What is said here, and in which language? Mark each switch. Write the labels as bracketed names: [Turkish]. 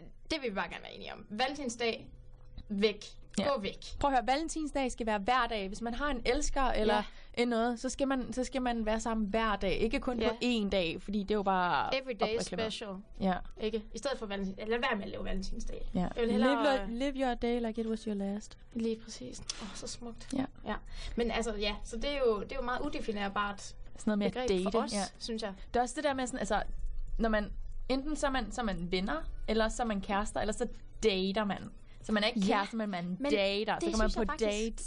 [Danish] Det vil vi bare gerne være enige om. Valentinsdag, væk. Ja. Gå væk. Prøv at høre, valentinsdag skal være hver dag. Hvis man har en elsker eller en noget, så skal man være sammen hver dag. Ikke kun på én dag, fordi det er jo bare... [English] Every day is special. [Danish] Ja. Ikke? I stedet for valentinsdag. Lad være med at lave valentinsdag. Ja. [English] Live your day like it was your last. [Danish] Lige præcis. Så smukt. Ja. Ja. Men altså, ja, så det er jo meget udefinerbart. Sådan noget med at date. For os, ja, synes jeg. Det er også det der med sådan, altså, når man... Enten så er man venner, eller så er man kærester, eller så dater man. Så man er ikke kæreste, men man dater. Det, så kan man på dates.